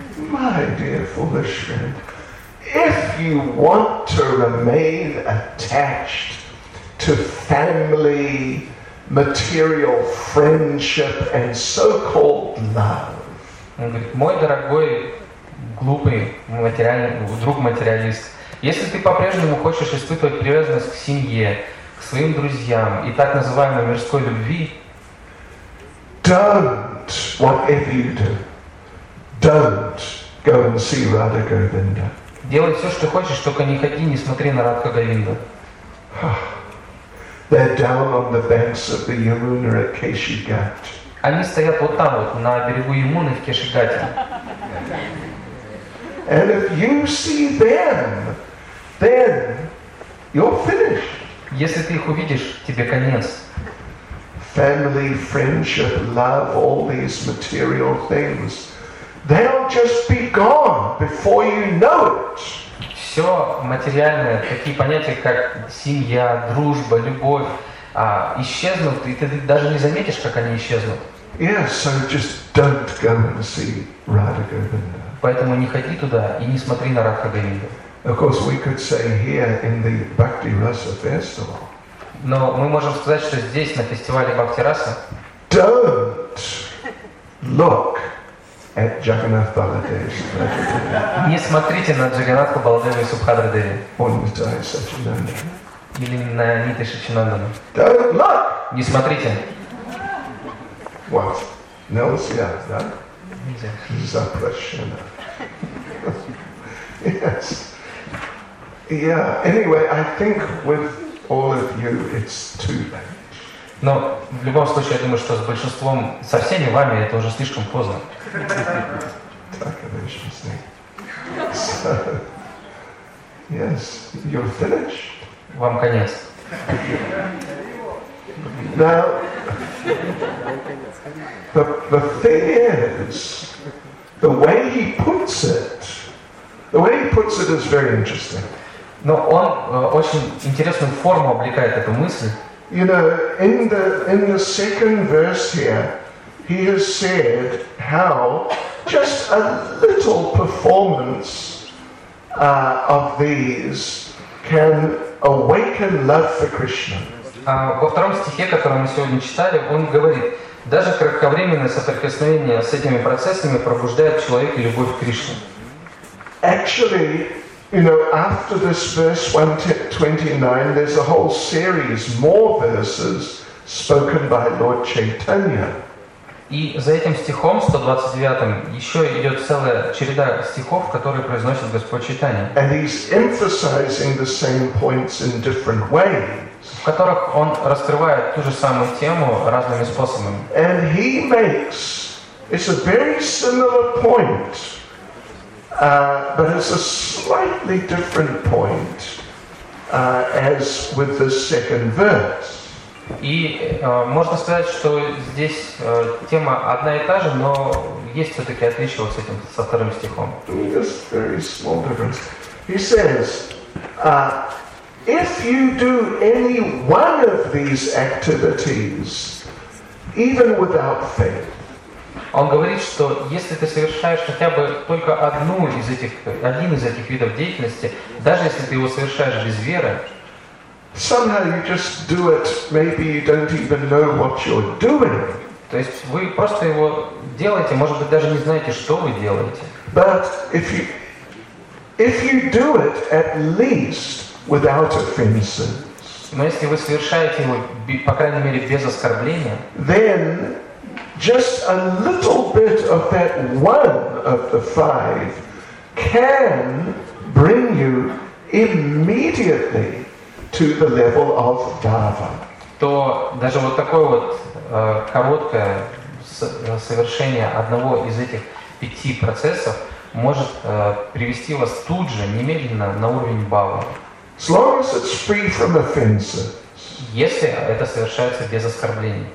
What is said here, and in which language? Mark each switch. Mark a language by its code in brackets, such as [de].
[en] My dear foolish friend, if you want to remain attached to family, material friendship and so-called love. [ru] Он говорит, мой дорогой, глупый, материальный, друг-материалист, если ты по-прежнему хочешь испытывать привязанность к семье, к своим друзьям и так называемой мирской любви, [en] don't, whatever you do, don't. Go and see Radha Govinda. [ru] Делай все, что хочешь, только не ходи, не смотри на Радха Говинду. [en] They're down on the banks of the Yamuna at Keshigat. [ru] Они стоят вот там вот на берегу Ямуны в Кешигате. [en] And if you see them, then you're finished. [ru] Если ты их увидишь, тебе конец. [en] Family, friendship, love, all these material things. They'll just be gone before you know it. [ru] Все материальное, такие понятия как семья, дружба, любовь, исчезнут, и ты даже не заметишь, как они исчезнут. [en] Yes, so just don't go and see Radha Govinda. [ru] Поэтому не ходи туда и не смотри на Радха Говинду. [en] Of course, we could say here in the Bhakti Rasa festival. [ru] Но мы можем сказать, что здесь на фестивале Бхакти Раса. [en] Don't look at Jagannath Baladev's Subhadradevi. [ru] Не смотрите на Джаганнатху Баладеву Субхадрадеви. Он не знает Сачинанда. Или на Ниты Сачинанда. [en] Don't look. [ru] Не смотрите. Well, нельзя, да? Нельзя. Запрещено. [en] Yes. Yeah. Anyway, I think with all of you, it's too late. [ru] Но в любом случае, я думаю, что с большинством, со всеми вами, это уже слишком поздно. Так, конечно, с ней. [en] Yes, you're finished. [ru] Вам конец. [en] Now, the thing is, the way he puts it is very interesting. [ru] Но он очень интересную форму облекает эту мысль. [en] You know, in the second verse here, he has said how just a little performance of these can awaken love for Krishna. [ru] Во втором стихе, который мы сегодня читали, он говорит, даже кратковременное соприкосновение с этими процессами пробуждает в человеке любовь к Кришне. [en] Actually, you know, after this verse 129, there's a whole series, more verses, spoken by Lord Chaitanya. [ru] И за этим стихом 129 еще идет целая череда стихов, которые произносит Господь Чайтанья. [en] And he's emphasizing the same points in different ways. [ru] В которых он раскрывает ту же самую тему разными способами. [en] And he makes, it's a very similar point. But it's a slightly different point, as with the second verse. [ru] И можно сказать, что здесь тема одна и та же, но есть все-таки отличие с этим со вторым стихом. [en] Just very small difference. He says, if you do any one of these activities, even without faith. [ru] Он говорит, что если ты совершаешь хотя бы только одну из этих, один из этих видов деятельности, даже если ты его совершаешь без веры, [en] somehow you just do it, maybe you don't even know what you're doing. [ru] То есть вы просто его делаете, может быть, даже не знаете, что вы делаете. [en] But if you do it at least without offenses, [ru] но если вы совершаете его, по крайней мере, без оскорбления, [en] then just a little bit of that one of the five can bring you immediately to the level of dhava. [ru] То даже вот такое вот короткое совершение одного из этих пяти процессов может привести вас тут же, немедленно, на уровень бхавы. [en] As long as it's free from offenses. [ru] Если это совершается без оскорблений.